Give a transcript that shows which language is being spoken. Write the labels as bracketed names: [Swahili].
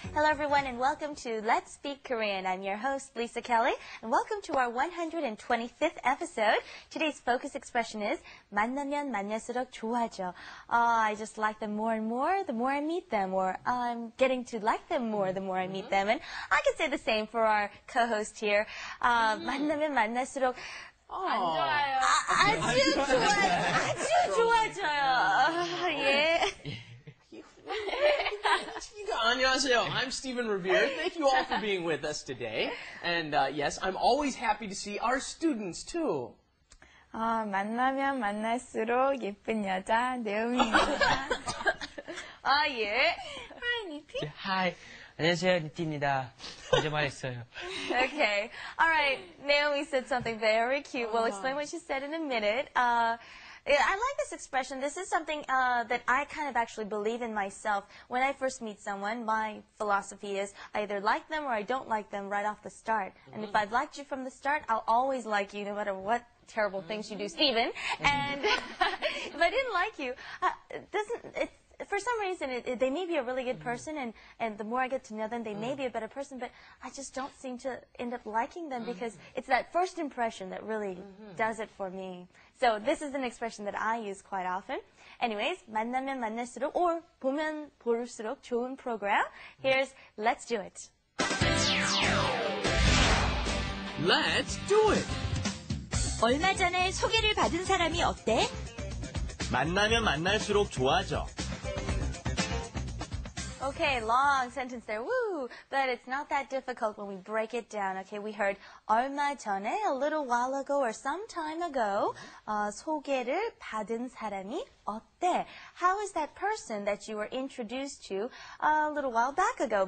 [English] Hello everyone and welcome to Let's Speak Korean. I'm your host Lisa Kelly and welcome to our 125th episode. Today's focus expression is [Korean] 만나면 만날수록 좋아져. [English] I just like them more and more the more I meet them, or I'm getting to like them more the more I meet them. And I could say the same for our co-host here. [Korean] 만나면 만날수록 안 좋아요. 아, 아주 좋아, 아주 좋아져요. 예. 안녕하세요. [English] I'm Stephen Revere. Thank you all for being with us today. And yes, I'm always happy to see our students too. [Korean] 아, 만나면 만날수록 예쁜 여자 내용입니다. 아 예. [English] Hi, Niti. Hi. [Korean] 안녕하세요, 니티입니다. 어제 말했어요. [English] Okay. All right. Naomi said something very cute. We'll explain what she said in a minute. I like this expression. This is something that I kind of actually believe in myself. When I first meet someone, my philosophy is I either like them or I don't like them right off the start. Mm-hmm. And if I've liked you from the start, I'll always like you no matter what terrible things you do, Stephen. Mm-hmm. And if I didn't like you, for some reason, they may be a really good person, and the more I get to know them, they may be a better person, but I just don't seem to end up liking them because it's that first impression that really does it for me. So this is an expression that I use quite often. Anyways, [Korean] 만나면 만날수록 [English] or [Korean] 보면 볼수록 좋은 [English] program. Here's Let's Do It. Let's do it. [Korean] 얼마 전에 소개를 받은 사람이 어때? 만나면 만날수록 좋아져. [English] Okay, long sentence there, woo! But it's not that difficult when we break it down. Okay, we heard [Korean] 얼마 전에, [English] a little while ago, or some time ago, [Korean] 소개를 받은 사람이 어때? [English] How is that person that you were introduced to a little while back ago?